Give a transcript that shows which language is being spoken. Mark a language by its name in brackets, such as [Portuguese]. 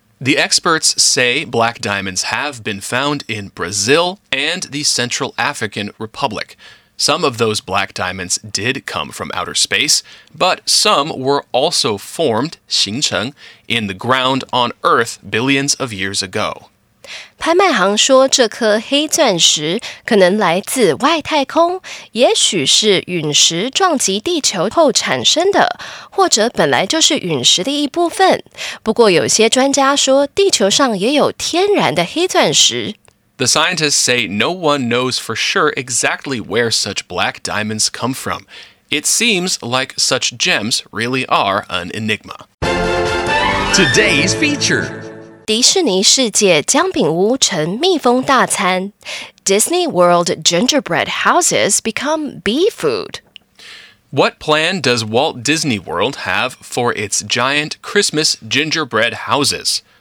[English] The experts say black diamonds have been found in Brazil and the Central African Republic. Some of those black diamonds did come from outer space, but some were also formed, 形成, in the ground on Earth billions of years ago. [Chinese] 拍卖行说这颗黑钻石可能来自外太空，也许是陨石撞击地球后产生的，或者本来就是陨石的一部分。不过有些专家说地球上也有天然的黑钻石。 [English] The scientists say no one knows for sure exactly where such black diamonds come from. It seems like such gems really are an enigma. Today's feature. [Chinese] 迪士尼世界姜饼屋成蜜蜂大餐。 [English] Disney World gingerbread houses become bee food. What plan does Walt Disney World have for its giant Christmas gingerbread houses?